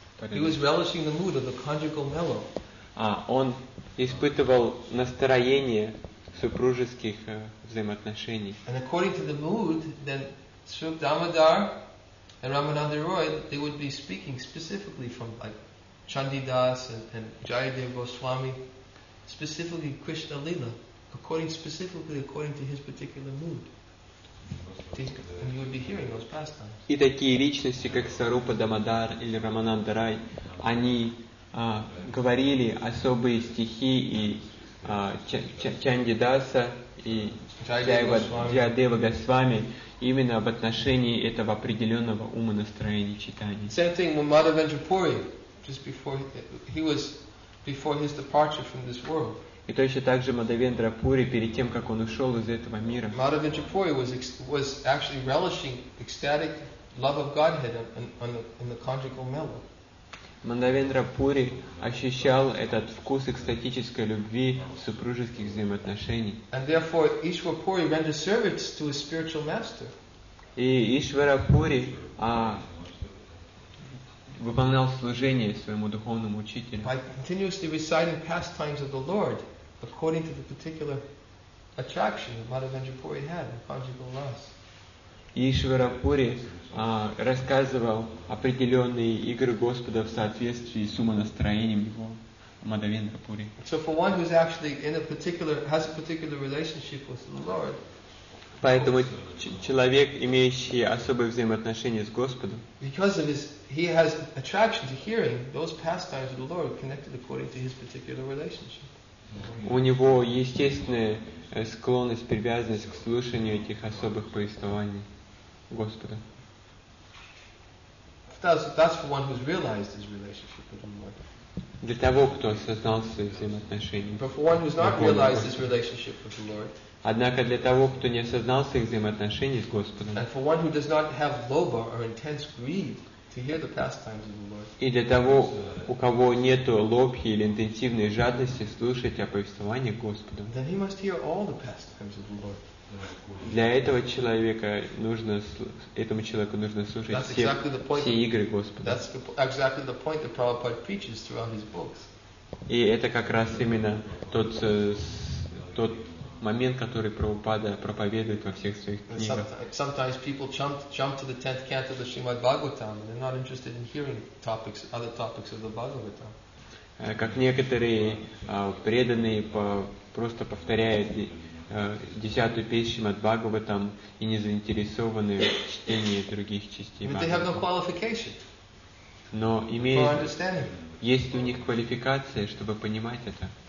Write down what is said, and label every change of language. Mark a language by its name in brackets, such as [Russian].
[English] He was relishing the mood of the conjugal mellow. [Russian] Он испытывал настроение супружеских взаимоотношений. [English] And according to the mood, then Srup Damodar and Ramananda Roy, they would be speaking specifically from like Chandidas and Jayadeva Goswami, specifically Krishna Lila, according to his particular mood. And you would be hearing those pastimes. [Russian] И такие личности, как Сарупа Дамодар или Рамананда Рай, они говорили особые стихи и Чандидаса и Джайдева Госвами именно об отношении этого определенного ума настроения читания. [English] Same thing with Madhavendra Puri, just before he was before his departure from this world. [Russian] И точно так же Мадхавендра Пури перед тем, как он ушел из этого мира. [English] Мадхавендра Пури was actually relishing ecstatic love of Godhead in the conjugal mellow. [Russian] Мадхавендра Пури ощущал этот вкус экстатической любви супружеских взаимоотношений. [English] And therefore Ishvara Puri rendered service to his spiritual master. [Russian] И Ishvara Puri выполнял служение своему духовному учителю. [English] By continuously reciting pastimes of the Lord according to the particular attraction that Madhavendra Puri had in conjugal lust. [Russian] Ishvara Puri рассказывал определенные игры Господа в соответствии с умонастроением его, Мадхавендра Пури. [English] So for one who is actually in a particular, has a particular relationship with the Lord, [Russian] поэтому человек, имеющий особые взаимоотношения с Господом, [English] because of his, he has attraction to hearing those pastimes of the Lord connected according to his particular relationship. [Russian] У него естественная склонность, привязанность к слушанию этих особых повествований Господа. [English] That's for one who's realized his relationship with the Lord. [Russian] Для того, кто осознал свои взаимоотношения. [English] But for one who's not realized his relationship with the Lord. [Russian] Однако для того, кто не осознал своих взаимоотношений с Господом. [English] And for one who does not have lobha or intense greed to hear the pastimes of the Lord. [Russian] И для того, у кого нету лобхи или интенсивной жадности слушать о повествованиях Господа. [English] Then he must hear all the pastimes of the Lord. [Russian] Для этого человека нужно этому человеку нужно слушать [English] That's exactly the point [Russian] все игры Господа. [English] That's exactly the point that Prabhupada preaches throughout his books. [Russian] И это как раз именно тот момент, который Прабхупада проповедует во всех своих книгах. [English] Sometimes people jump to the 10th canto of the Srimad Bhagavatam and they're not interested in hearing other topics of the Bhagavatam. [Russian] Как некоторые преданные просто повторяют десятую песню Шримад Бхагаватам и не заинтересованы в чтении других частей Бхагаватам. Но имеет, есть у них квалификация, чтобы понимать это.